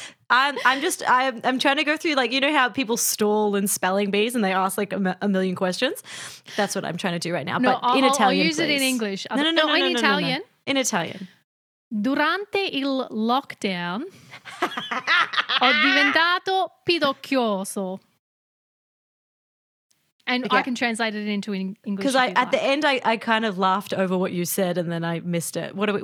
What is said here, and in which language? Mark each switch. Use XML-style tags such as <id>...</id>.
<en>I'm trying to go through, like, you know how people stall in spelling bees and they ask like a million questions? That's what I'm trying to do right now. No, but in Italian, I'll use please. It in English. In Italian.</en> <it>Durante il lockdown ho diventato pidocchioso.</it> <en>And okay. I can translate it into English. Because at the end I kind of laughed over what you said and then I missed it.</en>